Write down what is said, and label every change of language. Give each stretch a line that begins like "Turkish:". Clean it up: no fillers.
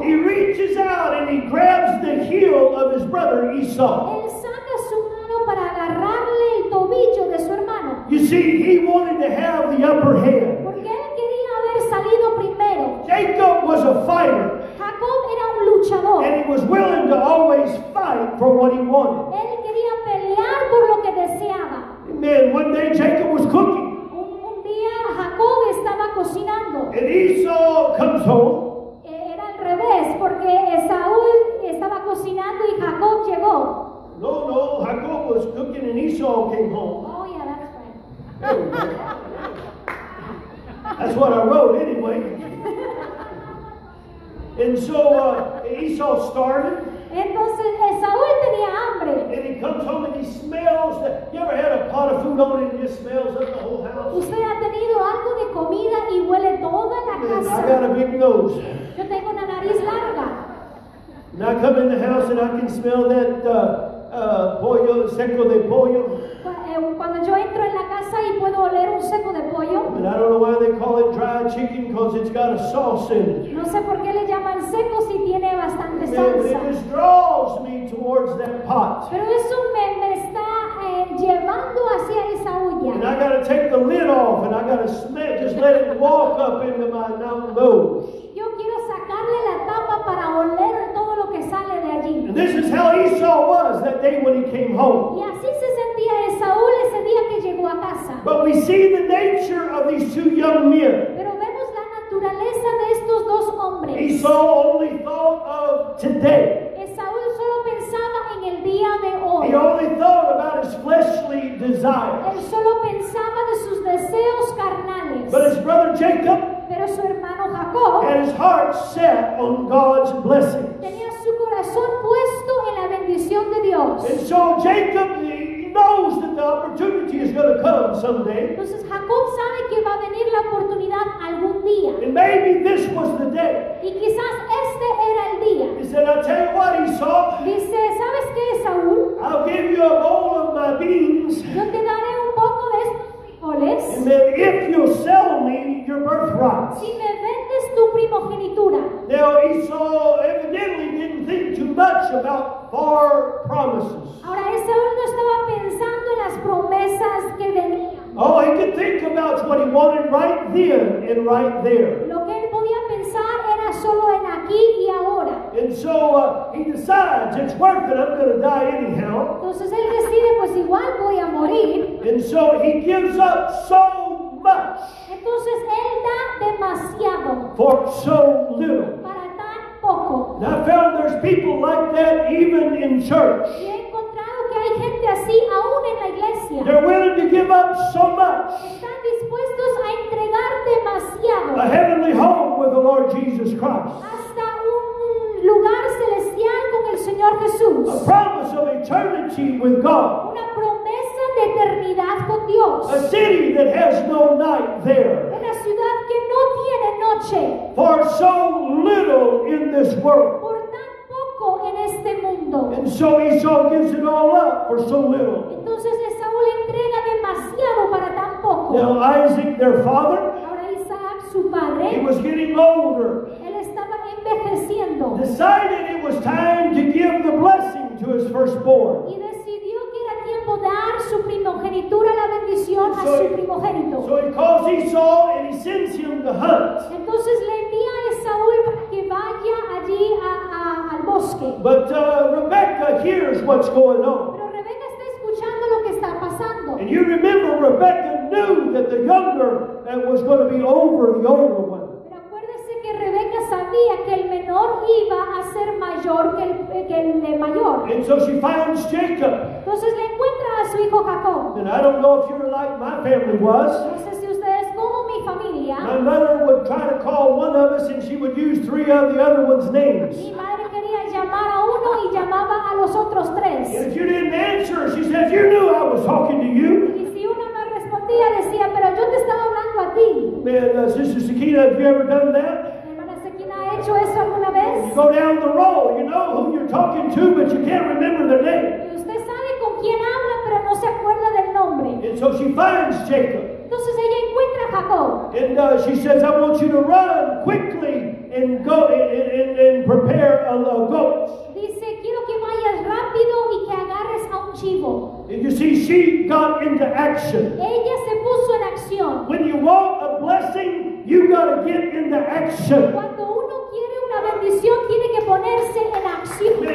English: he reaches out and he grabs the heel of his brother Esau.
Spanish: Él saca su mano para agarrarle el tobillo de su hermano.
English: You see, he wanted to have the upper hand.
Spanish: Porque él quería haber salido primero.
English: Jacob was a fighter.
Spanish: Jacob era un luchador.
English: And he was willing to always fight for what he wanted.
Spanish: Él quería pelear por lo que deseaba.
English: Man, one day Jacob was cooking.
Spanish: Un día Jacob estaba cocinando.
English: And Esau comes home.
Spanish: Era al revés, porque Esaú estaba cocinando y Jacob llegó.
English: No, Jacob was cooking and Esau came home. Oh yeah, that's right. That's what I wrote anyway. And so Esau started.
Spanish: Entonces Esaú tenía hambre.
English: And he comes home and he smells that. You ever had a pot of food on it and it just smells up the whole house?
Spanish: ¿Usted ha tenido algo de comida y huele toda la casa?
English: I got a big nose.
Spanish: Yo tengo una nariz larga.
English: And I come in the house and I can smell that pollo, seco de pollo.
Spanish: Cuando yo entro en la casa y puedo oler un seco de pollo.
English: But I don't know why they call it dry chicken, because it's got a sauce in it.
Spanish: No sé por qué le llaman seco si tiene bastante salsa.
English: It just draws me towards that pot.
Spanish: Pero eso me está llevando hacia esa olla.
English: And I gotta take the lid off and I gotta smell, just let it walk up into my nose.
Spanish: Yo quiero sacarle la tapa para oler todo lo que sale de allí.
English: And this is how Esau was that day when he came home.
Spanish: Y así se sentía Esaú ese día que llegó a casa.
English: But we see the nature of these two young men.
Spanish: Pero vemos la naturaleza de estos dos hombres.
English: Esau only thought of today.
Spanish: Esaú solo pensaba en el día de hoy.
English: He only thought about his fleshly desires.
Spanish: Él solo pensaba de sus deseos carnales.
English: But his brother Jacob,
Spanish: pero su hermano Jacob,
English: had his heart set on God's blessings.
Spanish: Tenía su corazón puesto en la bendición de Dios.
English: And so Jacob knows that the opportunity is going to come someday.
Spanish: Entonces Jacob sabe que va a venir la oportunidad algún día.
English: And maybe this was the day.
Spanish: Y quizás este era el día.
English: He said, I'll tell you what, Esau.
Spanish: Dice, ¿sabes qué, Saúl?
English: I'll give you a bowl of my beans.
Spanish: Yo te daré un poco de estos.
English: And then if you'll sell me your birthright.
Spanish: Si me vendes tu primogenitura.
English: Now Esau evidently didn't think too much about far promises.
Spanish: Ahora Esau no estaba pensando en las promesas que venían.
English: All he could think about what he wanted right then and right there.
Spanish: Lo que él podía pensar era solo en aquí y ahora.
English: And so he decides, it's worth it, I'm going to die anyhow.
Spanish: Entonces él decide, pues igual voy a morir.
English: And so he gives up so much.
Spanish: Entonces él da demasiado.
English: For so little.
Spanish: Para tan poco.
English: And I found there's people like that even in church.
Spanish: Y he encontrado que hay gente así aún en la iglesia.
English: They're willing to give up so much.
Spanish: Están dispuestos a entregar demasiado.
English: A heavenly home with the Lord Jesus Christ.
Spanish: Hasta un lugar celestial con el Señor Jesús.
English: A promise of eternity with God.
Spanish: Una promesa de eternidad con Dios.
English: A city that has no night there.
Spanish: Una ciudad que no tiene noche.
English: For so little in this world.
Spanish: Por tan poco en este mundo.
English: And so Esau gives it all up for so little.
Spanish: Entonces Esaú le entrega demasiado para tan poco.
English: Now Isaac, their father,
Spanish: ahora Isaac, su padre,
English: he was getting older.
Spanish: Él estaba envejeciendo.
English: Decided it was time to give the blessing to his firstborn.
Spanish: Dar su primogenitura, la bendición a su primogénito.
English: So he calls Esau and he sends him to hunt.
Spanish: Entonces le envía a Esaú para que vaya allí al bosque.
English: But Rebecca hears what's going on.
Spanish: Pero Rebecca está escuchando lo que está pasando.
English: And you remember Rebecca knew that the younger was going to be over the older one.
Spanish: Rebeca sabía que el menor iba a ser mayor que el mayor.
English: And so she finds Jacob.
Spanish: Entonces le encuentra a su hijo Jacob.
English: And I don't know if you're like my family was.
Spanish: No sé si ustedes como mi familia.
English: My mother would try to call one of us and she would use three of the other one's names.
Spanish: Mi madre quería llamar a uno y llamaba a los otros tres.
English: And if you didn't answer, she says, you knew I was talking to you.
Spanish: Y si uno me respondía, decía, pero yo te estaba hablando a ti.
English: Man, Sister Sakina, have you ever done that?
Spanish: hecho eso alguna vez?
English: You go down the row, you know who you're talking to, but you can't remember their name.
Spanish: Usted sabe con quién habla, pero no se acuerda del nombre.
English: And so she finds Jacob.
Spanish: Entonces ella encuentra a Jacob.
English: And she says, I want you to run quickly and go and prepare a goat.
Spanish: Dice, quiero que vayas rápido y que agarres a un chivo.
English: And you see, she got into action.
Spanish: Ella se puso en acción.
English: When you want a blessing, you gotta get into action.
Spanish: Cuando uno quiere una bendición, tiene que ponerse en acción.